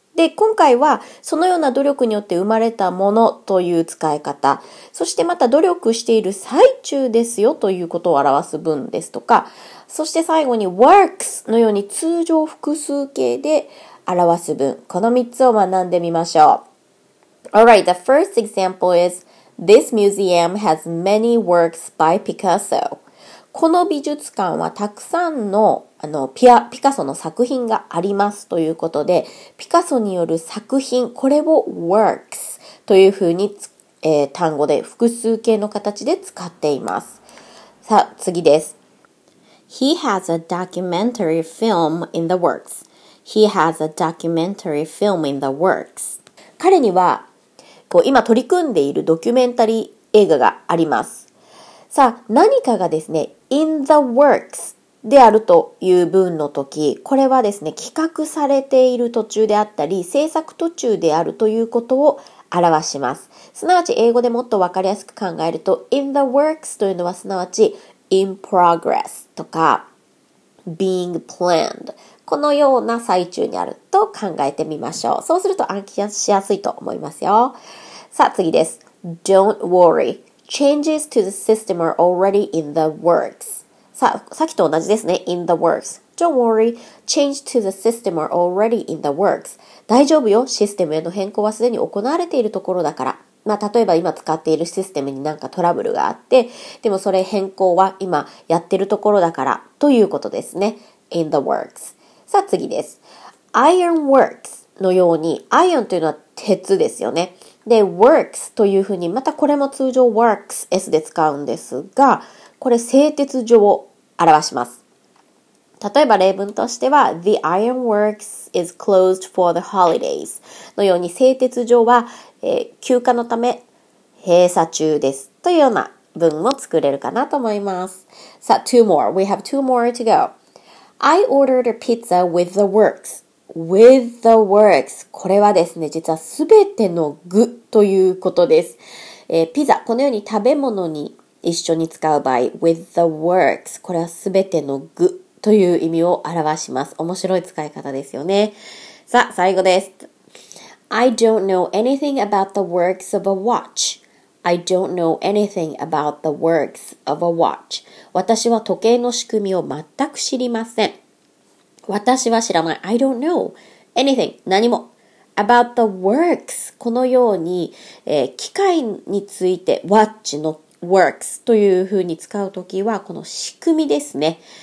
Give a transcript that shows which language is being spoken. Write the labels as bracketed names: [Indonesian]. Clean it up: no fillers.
[Japanese] で、今回はそのような努力によって生まれたものという使い方、そしてまた努力している最中ですよということを表す文ですとか、そして最後に works のように通常複数形で表す文、この3つを学んでみましょう。 [English] Alright, the first example is This museum has many works by Picasso. [Japanese] この美術館はたくさんのピカソの作品がありますということで、ピカソによる作品、これを works というふうに、単語で複数形の形で使っています。さあ、次です。 [English] He has a documentary film in the works. He has a documentary film in the works. [Japanese] 彼には、今取り組んでいるドキュメンタリー映画があります。さあ、何かがですね、 [English] in the works。 [Japanese] であるという文の時、これはですね、企画されている途中であったり、制作途中であるということを表します。すなわち英語でもっとわかりやすく考えると、 [English] in the works [Japanese] というのはすなわち [English] in progress [Japanese] とか [English] being planned。 [Japanese] このような最中にあると考えてみましょう。そうすると暗記しやすいと思いますよ。さあ次です。 [English] Don't worry. Changes to the system are already in the works. [Japanese] さっきと同じですね。 [English] in the works. Don't worry. Change to the system are already in the works. [Japanese] 大丈夫よ。システムへの変更はすでに行われているところだから。まあ、例えば今使っているシステムになんかトラブルがあって、でもそれ変更は今やってるところだから、ということですね。 [English] in the works. [Japanese] さあ次です。 iron works のように、iron というのは鉄ですよね。で、works というふうに、またこれも通常 works s で使うんですが、これ製鉄所を表します。例えば例文としては、 [English] The iron works is closed for the holidays [Japanese] のように製鉄所は、休暇のため閉鎖中です。というような文も作れるかなと思います。 [English] さあ、two more. We have two more to go. I ordered a pizza with the works. With the works. [Japanese] これはですね、実はすべての具ということです。ピザ、このように食べ物に一緒に使う場合、 [English] with the works。 [Japanese] これはすべての具という意味を表します。面白い使い方ですよね。さあ、最後です。 [English] I don't know anything about the works of a watch. I don't know anything about the works of a watch. [Japanese] 私は時計の仕組みを全く知りません。私は知らない。 [English] I don't know anything. [Japanese] 何も。 [English] about the works. [Japanese] このように、機械について、watch のworks というふうに使うときは、この仕組みですね。